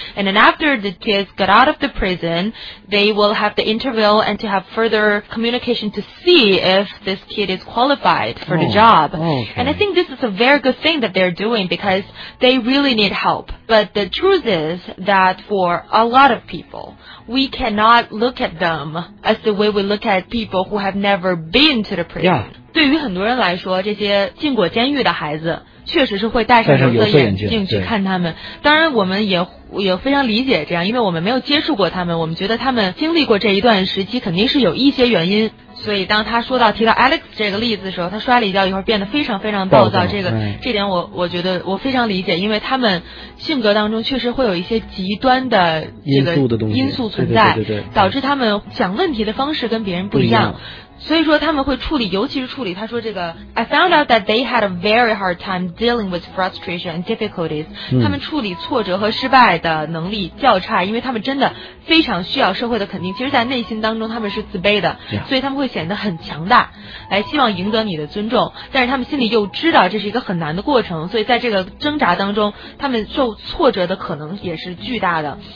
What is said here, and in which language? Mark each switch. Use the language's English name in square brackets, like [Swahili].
[English] And then after the kids got out of the prison, they will have the interview and to have further communication to see if this kid is qualified for、 oh, the job.、 Okay. And I think this is a very good thing that they're doing because they really need help. But the truth is that for a lot of people, we cannot look at them as the way we look at people who have never been to the prison. Yeah. [Chinese] 对于很多人来说，这些进过监狱的孩子确实是会戴上有色眼镜去看他们。当然我们也非常理解这样，因为我们没有接触过他们，我们觉得他们经历过这一段时期肯定是有一些原因。所以当他说到提到 Alex 这个例子的时候，他摔了一跤以后变得非常非常暴躁，这个、哎、这点我觉得我非常理解，因为他们性格当中确实会有一些极端的因素的东西因素存在，对对对对对，导致他们想问题的方式跟别人不一样。所以说他们会处理，尤其是处理，他说这个 [English] I found out that they had a very hard time dealing with frustration and difficulties、 [Chinese] 嗯、他们处理挫折和失败的能力较差，因为他们真的非常需要社会的肯定，其实在内心当中他们是自卑的、 [English] yeah. [Chinese] 所以他们会显得很强大，来希望赢得你的尊重，但是他们心里又知道这是一个很难的过程，所以在这个挣扎当中他们受挫折的可能也是巨大的。